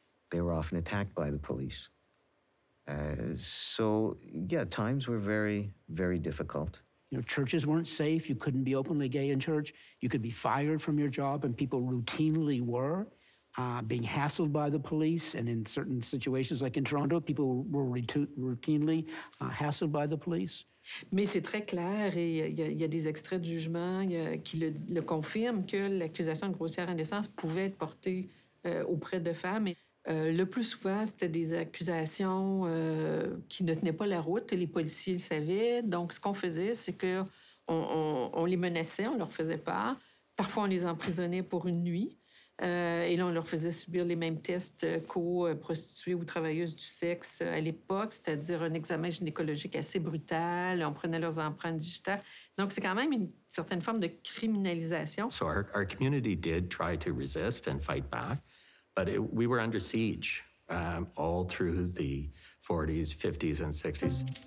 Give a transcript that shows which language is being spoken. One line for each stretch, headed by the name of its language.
English: They were often attacked by the police. So, times were very, very difficult. You know, churches weren't safe. You couldn't be openly gay in church. You could be fired from your job, and people routinely were. Being hassled by the police, and in certain situations, like in Toronto, people were routinely hassled by the police.
French: Mais c'est très clair, et il y a des extraits de jugement qui le confirment, que l'accusation de grossière indécence pouvait être portée auprès de femmes. Et, le plus souvent, c'était des accusations qui ne tenaient pas la route, et les policiers le savaient. Donc, ce qu'on faisait, c'est qu'on les menaçait, on leur faisait peur. Parfois, on les emprisonnait pour une nuit. Et là, on leur faisait subir les mêmes tests qu'aux prostituées ou travailleuses du sexe à l'époque, c'est-à-dire un examen gynécologique assez brutal. On prenait leurs empreintes digitales. Donc, c'est quand même une certaine forme de criminalisation.
English: So our community did try to resist and fight back, but we were under siege all through the 40s, 50s, and 60s.